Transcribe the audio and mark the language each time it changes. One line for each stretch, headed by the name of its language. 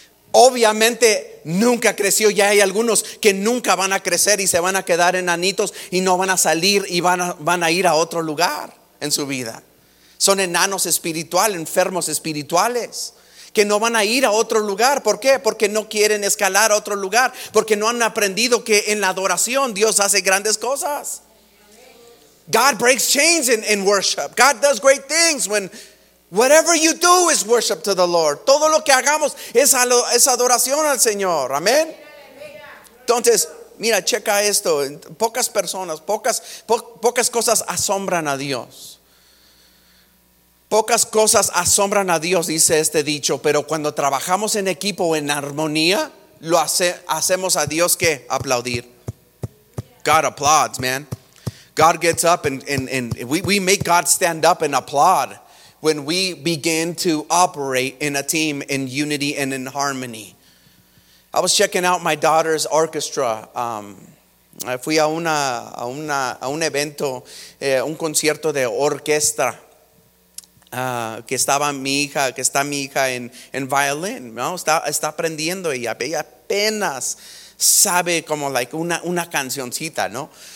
Spanish: Obviamente nunca creció. Ya hay algunos que nunca van a crecer y se van a quedar enanitos y no van a salir y van a ir a otro lugar en su vida. Son enanos espirituales, enfermos espirituales. Que no van a ir a otro lugar. ¿Por qué? Porque no quieren escalar a otro lugar. Porque no han aprendido que en la adoración Dios hace grandes cosas.
English: God breaks chains in worship. God does great things when Whatever you do is worship to the Lord.
Spanish: Todo lo que hagamos es adoración al Señor. Amén. Entonces, mira, checa esto. Pocas personas, pocas cosas asombran a Dios. Pocas cosas asombran a Dios, dice este dicho. Pero cuando trabajamos en equipo, en armonía, lo hacemos a Dios que aplaudir.
English: God applauds, man. God gets up and we make God stand up and applaud when we begin to operate in a team, in unity and in harmony. I was checking out my daughter's orchestra.
Spanish: Fui a un evento, un concierto de orquesta. Que está mi hija en violín, ¿no? Está aprendiendo ella. Ella apenas sabe como like una cancioncita, ¿no?